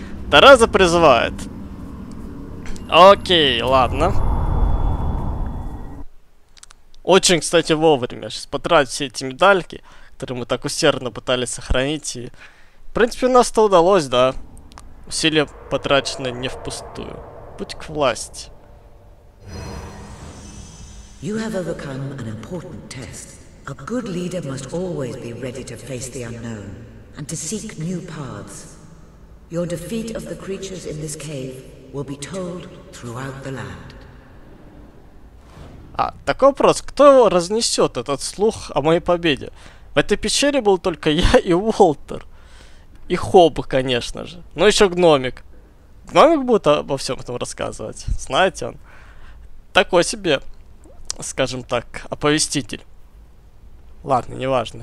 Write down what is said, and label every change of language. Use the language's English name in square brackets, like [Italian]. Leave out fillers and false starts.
[Russian] Тереза призывает. Окей, ладно. Очень, кстати, вовремя. Сейчас потратить все эти медальки, которые мы так усердно пытались сохранить. И, в принципе, у нас-то удалось, да. Усилия потрачены не впустую. Путь к власти. [English] You have overcome an important test. A good leader must always be ready to face the unknown and to seek new paths. Your defeat of the creatures in this cave will be told throughout the land. [Russian] А, такой вопрос, кто разнесет этот слух о моей победе? В этой пещере был только я и Уолтер. И Хоб, конечно же. Ну еще гномик. Гномик будет обо всем этом рассказывать. Знаете, он такой себе, скажем так, оповеститель. Ладно, неважно.